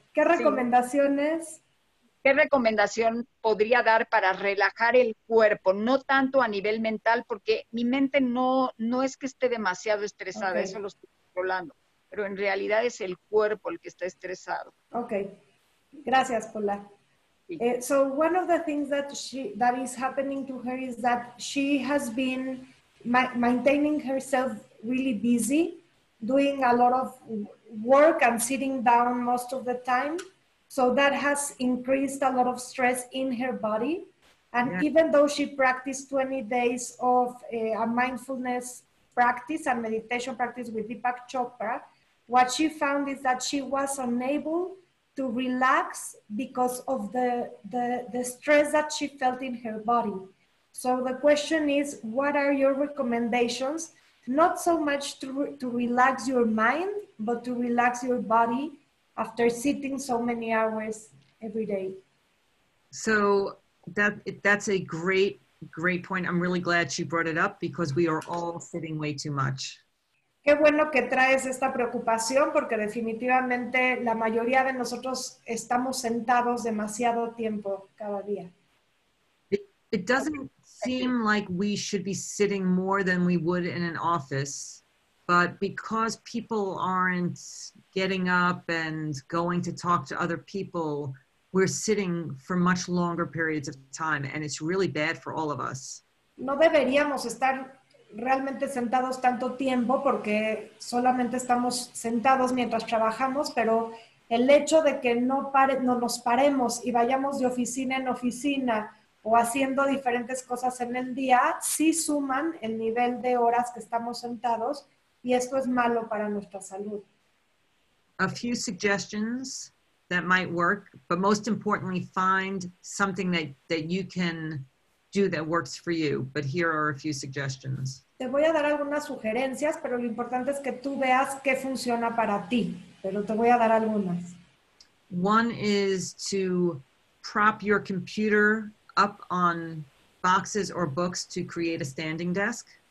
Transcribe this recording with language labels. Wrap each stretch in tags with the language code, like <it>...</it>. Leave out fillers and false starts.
<es>¿Qué recomendaciones? Sí. ¿Qué recomendación podría dar para relajar el cuerpo? No tanto a nivel mental, porque mi mente no es que esté demasiado estresada, okay. Eso lo estoy controlando. Pero en realidad es el cuerpo el que está estresado. Ok, gracias, Paula. Sí.</es> <en>So one of the things that is happening to her is that she has been maintaining herself really busy, doing a lot of work and sitting down most of the time. So that has increased a lot of stress in her body. And yeah. Even though she practiced 20 days of a mindfulness practice and meditation practice with Deepak Chopra, what she found is that she was unable to relax because of the stress that she felt in her body. So the question is, what are your recommendations? Not so much to relax your mind, but to relax your body after sitting so many hours every day. So that's a great, great point. I'm really glad she brought it up because we are all sitting way too much.</en> <es>Qué bueno que traes esta preocupación porque definitivamente la mayoría de nosotros estamos sentados demasiado tiempo cada día.</es> <en>It doesn't seem like we should be sitting more than we would in an office, but because people aren't getting up and going to talk to other people, we're sitting for much longer periods of time, and it's really bad for all of us.</en> <es>No deberíamos estar realmente sentados tanto tiempo, porque solamente estamos sentados mientras trabajamos, pero el hecho de que no nos paremos y vayamos de oficina en oficina o haciendo diferentes cosas en el día, sí suman el nivel de horas que estamos sentados, y esto es malo para nuestra salud.</es> <en>A few suggestions that might work, but most importantly, find something that you can do that works for you. But here are a few suggestions.</en> <es>Te voy a dar algunas sugerencias, pero lo importante es que tú veas qué funciona para ti. Pero te voy a dar algunas.</es> <en>One is to prop your computer up on boxes or books to create a standing desk.</en>